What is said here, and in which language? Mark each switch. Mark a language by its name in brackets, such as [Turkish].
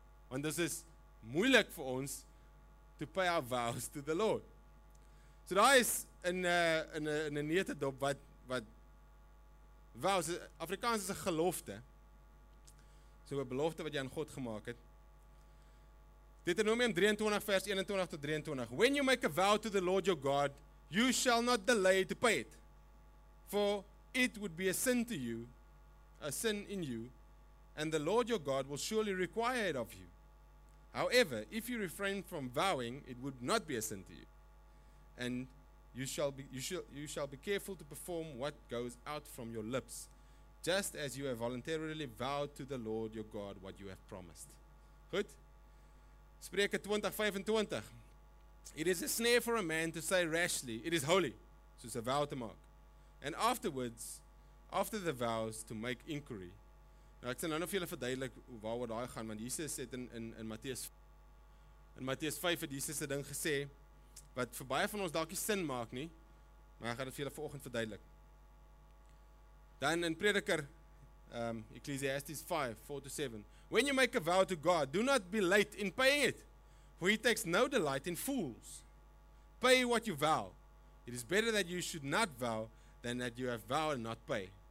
[Afrikaans] Want dis is moeilik vir ons [English] to pay our vows to the Lord. [Afrikaans] So daar is in 'n netedop wat vows, Afrikaans is 'n gelofte. So 'n belofte wat jy aan God gemaak het. Deuteronomium 23 vers 21 tot 23. [English] When you make a vow to the Lord your God, you shall not delay to pay it. For it would be a sin to you, a sin in you, and the Lord your God will surely require it of you. However, if you refrain from vowing, it would not be a sin to you. And you shall be careful to perform what goes out from your lips, just as you have voluntarily vowed to the Lord your God what you have promised. [Afrikaans] Goed? [English] Spreuke 20:25. It is a snare for a man to say rashly, it is holy, [Afrikaans] soos 'n vow te maak. [English] And afterwards, after the vows, to make inquiry. [Afrikaans] Nou, ek sal nou vir julle verduidelik waaroor daai gaan, want Jesus het in Matteus 5 het Jesus 'n ding gesê, wat vir baie van ons dalk nie sin maak nie, maar ek gaan dit vir julle vanoggend verduidelik. Dan in Prediker, [English] Ecclesiastes 5:4-7, when you make a vow to God, do not be late in paying it, for he takes no delight in fools. Pay what you vow. It is better that you should not vow than that you have vowed and not pay.